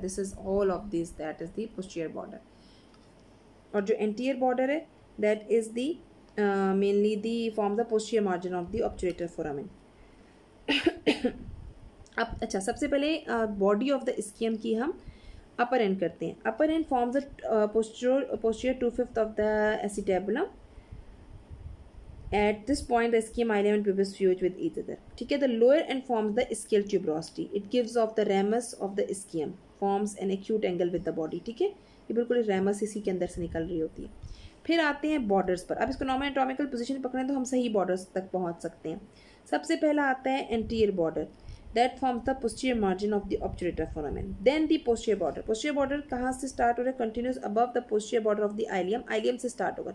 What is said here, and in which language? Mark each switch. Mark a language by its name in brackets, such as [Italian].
[English] This is all of this that is the posterior border. [Hindi] और जो anterior border है [English] That is the mainly the form the posterior margin of the obturator foramen. [Hindi] अब अच्छा, सबसे पहले body of the स्कियम की हम अपर एंड करते हैं. [English] Upper end forms the posterior two fifth of the acetabulum. At this point, the ischium ilium and pubis fuse with each other. [Hindi] ठीक है, [English] the lower end forms the ischial tuberosity. It gives off the ramus of the ischium, forms an acute angle with the body. [Hindi] ठीक है, ये बिल्कुल ramus इसी के अंदर से निकल रही होती है. फिर आते हैं borders पर. अब इसको normal anatomical position पकड़ें तो हम सही borders तक पहुँच सकते हैं. सबसे पहला आता है [English] anterior border. That forms the posterior margin of the obturator foramen. Then the posterior border. Posterior border [Hindi] कहाँ से start हो रहा है? [English] Continues above the posterior border of the ilium. [Hindi] Ilium से start होगा.